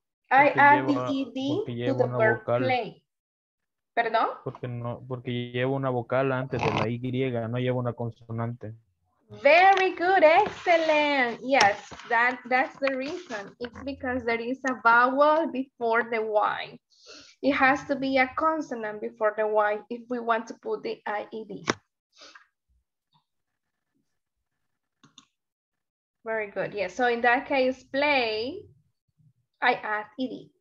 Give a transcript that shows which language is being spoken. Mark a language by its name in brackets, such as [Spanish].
[English] I add the ed to the verb play. [Spanish] ¿Perdón? Porque no, porque llevo una vocal antes de la y, no llevo una consonante. [English] Very good, excellent. Yes, that's the reason. It's because there is a vowel before the y. It has to be a consonant before the y if we want to put the ied. Very good. Yes, so in that case, play, I add ed.